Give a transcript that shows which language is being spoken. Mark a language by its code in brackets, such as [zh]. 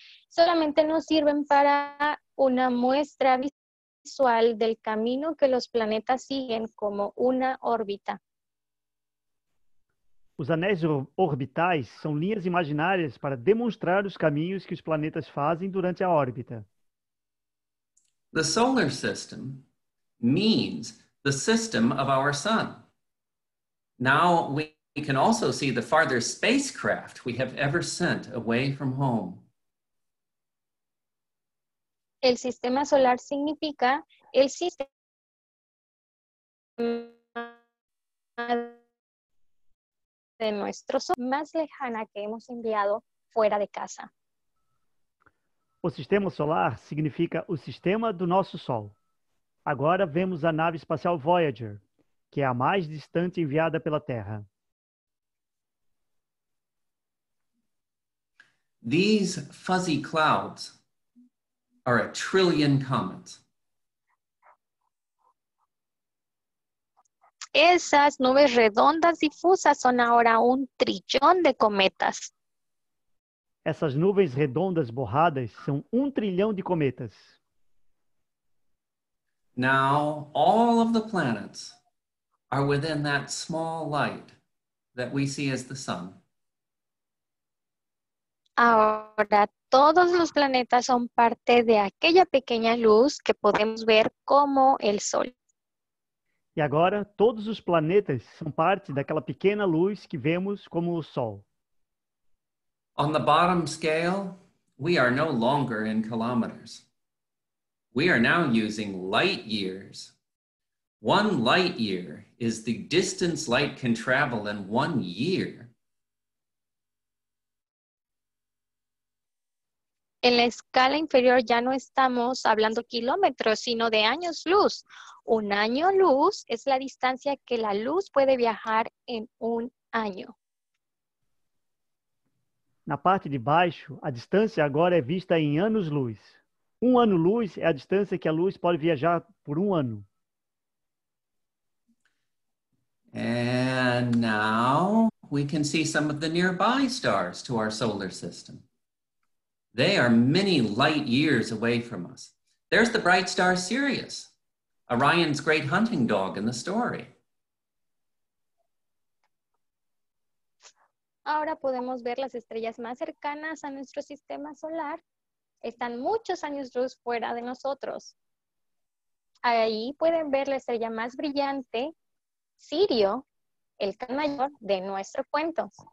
[es] Solamente nos sirven para una muestra visual del camino que los planetas siguen como una órbita. [pt] Os anéis orbitais são linhas imaginárias para demonstrar os caminhos que os planetas fazem durante a órbita. [en] The solar system means the system of our sun. Now we can also see the farthest spacecraft we have ever sent away from home. [es] El sistema solar significa el sistema de nuestro sol más lejana que hemos enviado fuera de casa. [pt] O sistema solar significa o sistema do nosso sol. Agora vemos a nave espacial Voyager, que é a mais distante enviada pela Terra. [en] These fuzzy clouds are a trillion comets. [es] Esas nubes redondas difusas son ahora un trillón de cometas. [pt] Essas nuvens redondas borradas são 1 trilhão de cometas. [en] Now, all of the planets are within that small light that we see as the sun. [pt] Agora, todos os planetas são parte de aquela pequena luz que podemos ver como o sol. E agora, todos os planetas são parte daquela pequena luz que vemos como o sol. [en] On the bottom scale, we are no longer in kilometers. We are now using light years. 1 light year is the distance light can travel in 1 year. [es] En la escala inferior ya no estamos hablando kilómetros, sino de años luz. Un año luz es la distancia que la luz puede viajar en un año. [pt] Na parte de baixo, a distância agora é vista em anos-luz. 1 ano-luz é a distância que a luz pode viajar por 1 ano. [en] And now we can see some of the nearby stars to our solar system. They are many light years away from us. There's the bright star Sirius, Orion's great hunting dog in the story. [es] Ahora podemos ver las estrellas más cercanas a nuestro sistema solar. Están muchos años luz fuera de nosotros. Ahí pueden ver la estrella más brillante, Sirio, el can mayor de nuestro cuento.